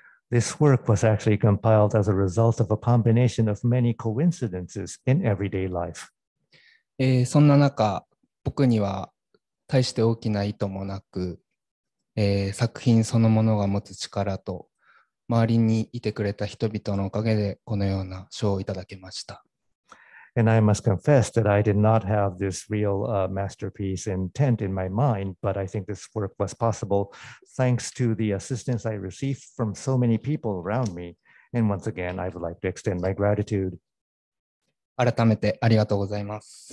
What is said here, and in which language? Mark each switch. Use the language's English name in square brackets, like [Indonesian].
[English] This work was actually compiled as a result of a combination of many coincidences in everyday life. [Japanese] そんな中、僕には大して大きな意図もなく、作品そのものが持つ力と周りにいてくれた人々のおかげでこのような賞をいただけました。 [English] And I must confess that I did not have this real masterpiece intent in my mind, but I think this work was possible thanks to the assistance I received from so many people around me. And once again, I would like to extend my gratitude. [Japanese] 改めてありがとうございます。